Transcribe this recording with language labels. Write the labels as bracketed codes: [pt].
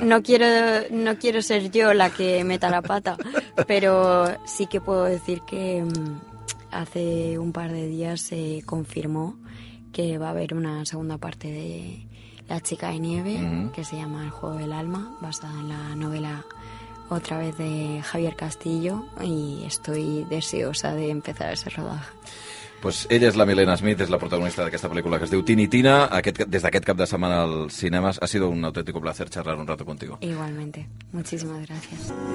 [es] No quiero ser yo la que meta la pata, pero sí que puedo decir que hace un par de días se confirmó que va a haber una segunda parte de La chica de nieve, que se llama El juego del alma, basada en la novela otra vez de Javier Castillo, y estoy deseosa de empezar ese rodaje. [ca] Pues ella és la Milena Smith, és la protagonista d'aquesta pel·lícula que es diu Tinitina. Des d'aquest cap de setmana als cinemes, [es] ha sido un auténtico placer charlar un rato contigo. Igualmente. Muchísimas gracias.